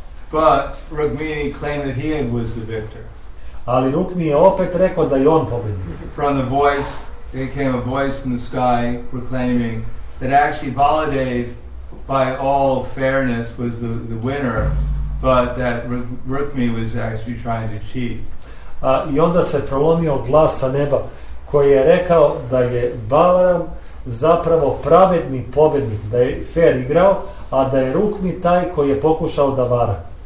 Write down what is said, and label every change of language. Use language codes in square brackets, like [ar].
[en] But Rukmini claimed that he was the victor. [sr] Ali Rukmi je opet rekao da je on pobedio. [en] From the voice, there came a voice in the sky proclaiming that actually Baladev, by all fairness, was the winner, but that Rukmi was actually trying to cheat. [sr] I onda se prolomio glas sa neba, koji je rekao da je Balaram zapravo pravedni pobednik, da je fair igrao, a da je Rukmi taj koji je pokušao da vara.